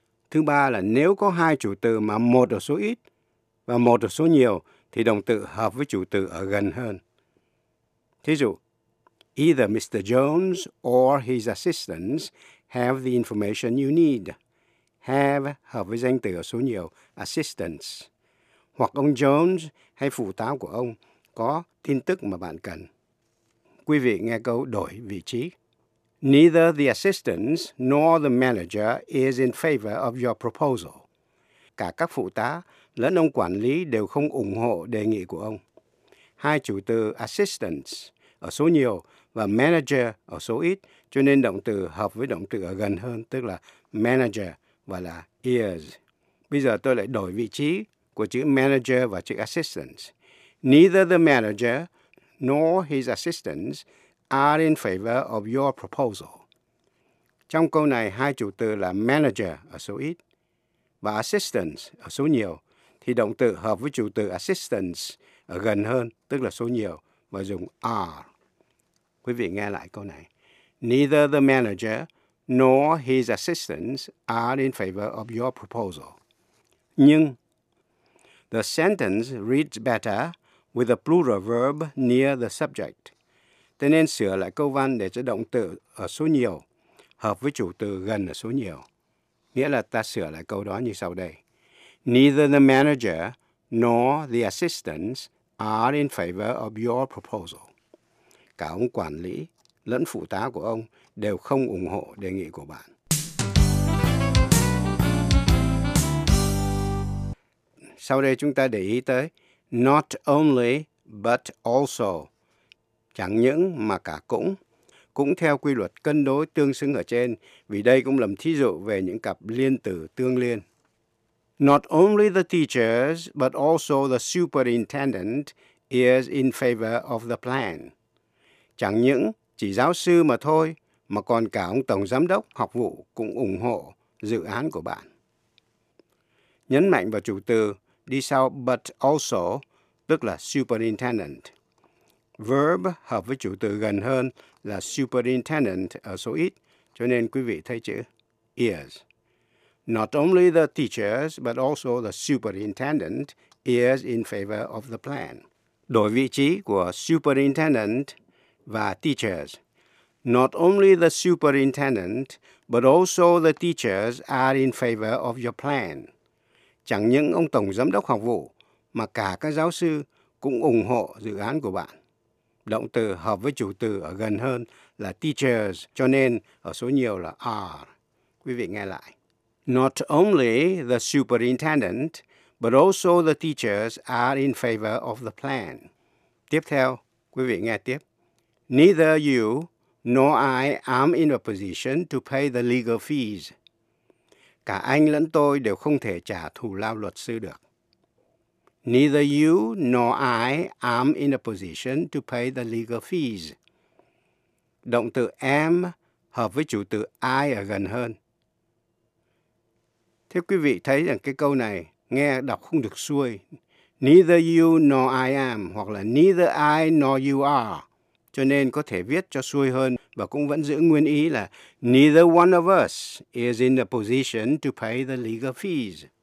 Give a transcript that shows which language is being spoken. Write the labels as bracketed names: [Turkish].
[Vietnamese] Thứ ba là nếu có hai chủ từ mà một ở số ít và một ở số nhiều, thì động từ hợp với chủ từ ở gần hơn. Thí dụ, [English] either Mr. Jones or his assistants have the information you need. [Vietnamese] Have hợp với danh từ ở số nhiều, assistants. Hoặc ông Jones hay phụ tá của ông có tin tức mà bạn cần. Quý vị nghe câu đổi vị trí. [English] Neither the assistants nor the manager is in favor of your proposal. [Vietnamese] Cả các phụ tá lẫn ông quản lý đều không ủng hộ đề nghị của ông. Hai chủ từ assistants ở số nhiều và manager ở số ít, cho nên động từ hợp với động từ ở gần hơn, tức là manager và là is. Bây giờ tôi lại đổi vị trí của chữ manager và chữ assistants. [English] Neither the manager nor his assistants are in favor of your proposal. [Vietnamese] Trong câu này, hai chủ từ là manager ở số ít và assistants ở số nhiều, thì động từ hợp với chủ từ assistants ở gần hơn, tức là số nhiều, và dùng are. Quý vị nghe lại câu này. [English] Neither the manager nor his assistants are in favor of your proposal. [Vietnamese] Nhưng, [English] the sentence reads better with a plural verb near the subject. [Vietnamese] Thế nên sửa lại câu văn để cho động từ ở số nhiều hợp với chủ từ gần ở số nhiều. Nghĩa là ta sửa lại câu đó như sau đây. [English] Neither the manager nor the assistants are in favor of your proposal. [Vietnamese] Cả ông quản lý lẫn phụ tá của ông đều không ủng hộ đề nghị của bạn. Sau đây chúng ta để ý tới [English] not only but also. [Vietnamese] Chẳng những mà cả cũng. Cũng theo quy luật cân đối tương xứng ở trên, vì đây cũng làm thí dụ về những cặp liên từ tương liên. [English] Not only the teachers, but also the superintendent is in favor of the plan. [Vietnamese] Chẳng những chỉ giáo sư mà thôi, mà còn cả ông tổng giám đốc học vụ cũng ủng hộ dự án của bạn. Nhấn mạnh vào chủ từ đi sau [English] but also, [Vietnamese] tức là superintendent. Verb hợp với chủ từ gần hơn là superintendent ở số ít, cho nên quý vị thấy chữ is. [English] Not only the teachers, but also the superintendent is in favor of the plan. [Vietnamese] Đổi vị trí của superintendent và teachers. [English] Not only the superintendent, but also the teachers are in favor of your plan. [Vietnamese] Chẳng những ông tổng giám đốc học vụ, mà cả các giáo sư cũng ủng hộ dự án của bạn. Động từ hợp với chủ từ ở gần hơn là teachers, cho nên ở số nhiều là are. Quý vị nghe lại. [English] Not only the superintendent, but also the teachers are in favor of the plan. [Vietnamese] Tiếp theo, quý vị nghe tiếp. [English] Neither you nor I am in a position to pay the legal fees. [Vietnamese] Cả anh lẫn tôi đều không thể trả thù lao luật sư được. [English] Neither you nor I am in a position to pay the legal fees. [Vietnamese] Động từ am hợp với chủ từ I ở gần hơn. Thế quý vị thấy rằng cái câu này nghe đọc không được xuôi. [English] Neither you nor I am, [Vietnamese] hoặc là [English] neither I nor you are. [Vietnamese] cho nên có thể viết cho xuôi hơn và cũng vẫn giữ nguyên ý là [English] neither one of us is in a position to pay the legal fees.